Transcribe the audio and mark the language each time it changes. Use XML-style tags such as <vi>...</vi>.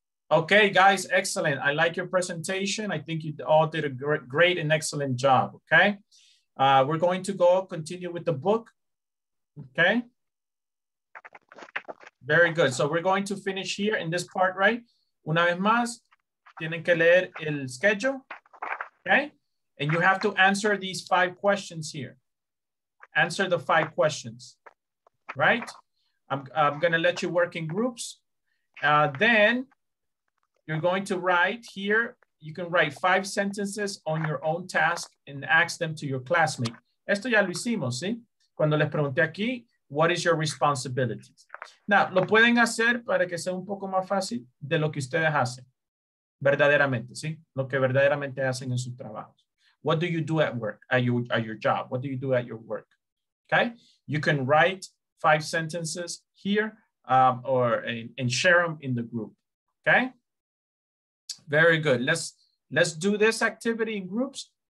<en>Okay, guys, excellent. I like your presentation. I think you all did a great and excellent job. Okay? We're going to go continue with the book. Okay? Very good. So we're going to finish here in this part, right?</en> <es>Una vez más, tienen que leer el schedule.</es> <en>Okay? And you have to answer these five questions here. Answer the five questions, right? I'm gonna let you work in groups. Then you're going to write here, you can write five sentences on your own task and ask them to your classmate.</en> <es>Esto ya lo hicimos, ¿sí? Cuando les pregunté aquí,</es> <en>what is your responsibility?</en> <es>Now, lo pueden hacer para que sea un poco más fácil de lo que ustedes hacen, verdaderamente, ¿sí? Lo que verdaderamente hacen en sus trabajos.</es> <en>What do you do at work, at your job? What do you do at your work? Okay, you can write five sentences here and share them in the group, okay? Very good, let's do this activity in groups.</en>